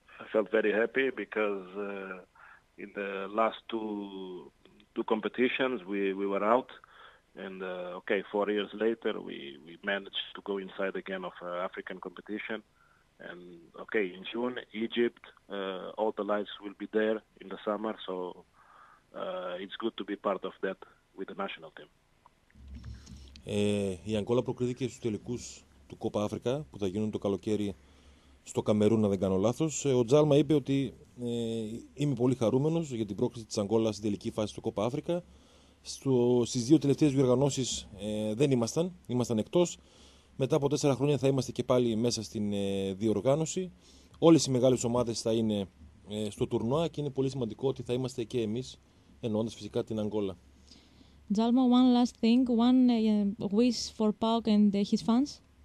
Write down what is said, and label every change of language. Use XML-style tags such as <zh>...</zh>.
<en>I felt very happy because in the last two competitions we were out, and 4 years later we managed to go inside again of African competition. And in June, Egypt, all the lights will be there in the summer. So it's good to be part of that with the national team.</en> <el>Η Αγκόλα προκρίθηκε στους τελικούς του Κόπα Αφρικά που θα γίνουν το καλοκαίρι στο Καμερούν, αν δεν κάνω λάθος. Ο Τζάλμα είπε ότι είμαι πολύ χαρούμενος για την πρόκληση της Αγκόλα στην τελική φάση του Κόπα Αφρικά. Στις δύο τελευταίες διοργανώσεις δεν ήμασταν εκτός. Μετά από 4 χρόνια θα είμαστε και πάλι μέσα στην διοργάνωση. Όλες οι μεγάλες ομάδες θα είναι στο τουρνουά και είναι πολύ σημαντικό ότι θα είμαστε και εμείς, εννοώντας φυσικά την Αγκόλα.</el> <en>Τζάλμα, one last thing, one wish for ΠΑΟΚ and his fans.</en>